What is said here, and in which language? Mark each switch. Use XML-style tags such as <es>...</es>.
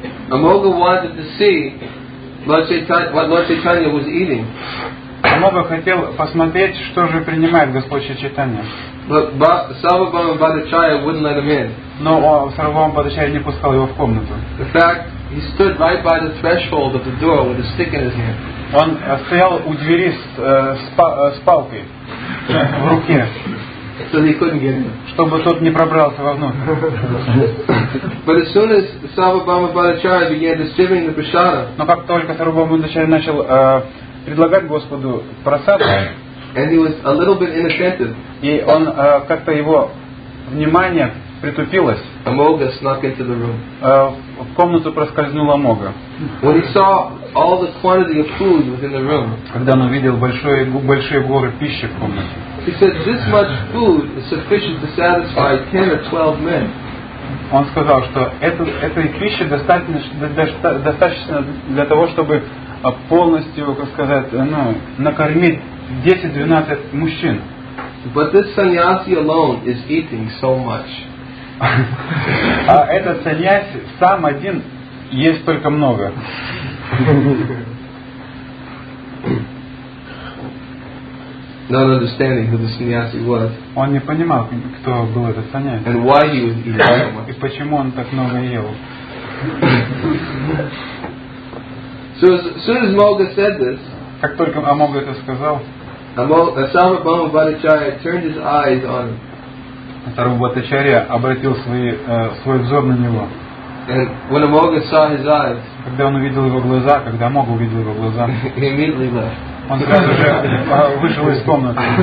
<en>Amoga wanted to see what Lord Chaitanya was eating.</en> <ru>Амога хотел посмотреть, что же принимает Господь Чайтанья.</ru> <en>Sarvabhauma Bhattacharya wouldn't let him in.</en> <ru>Но Сарвабхауму Бхаттачарье не пускал его в комнату.</ru> <en>In fact, he stood right by the threshold of the door with a stick in his hand.</en> <ru>Он стоял у двери с палкой в руке,</ru> <en>so he couldn't get in.</en> <ru>Чтобы тот не пробрался вовнутрь.</ru> <en>But as soon as Sarvabhauma Bhattacharya began distributing the prasada,</en> <ru>но как только Сарвабхауму Бхаттачарье начал предлагать Господу просад,</ru> <en>and he was a little bit inattentive.</en> <ru>И он как-то его внимание притупилось.</ru> <en>Amoga snuck into the room.</en> <ru>В комнату проскользнула Амога.</ru> <en>When he saw all the quantity of food within the room,</en> <ru>когда он увидел большие горы пищи в комнате,</ru> <en>he said, "This much food is sufficient to satisfy 10 or 12 men."</en> <ru>Он сказал, что этой пищи достаточно для того, чтобы полностью, как сказать, накормить 10-12 мужчин.</ru> <en>But this sannyasi alone is eating so much.</en> <ru>А этот саньяси сам один ест только много.</ru> <en>Not understanding who the sannyasi was.</en> <ru>Он не понимал, кто был этот саньяси.</ru> <en>And why he was eating so much.</en> <ru>И почему он так много ел.</ru> <en>So as soon as Amoga said this,</en> <ru>как только Амога это сказал,</ru> <en>Sarvabhauma Bhattacharya turned his eyes on him.</en> <ru>Сарвабхауму Бхаттачарья обратил свой взор на него.</ru> <en>And when Amoga saw his eyes,</en> <ru>когда он увидел его глаза, когда Амога увидел его глаза,</ru> <en>he immediately left.</en> <ru>Он сразу же вышел из комнаты.</ru>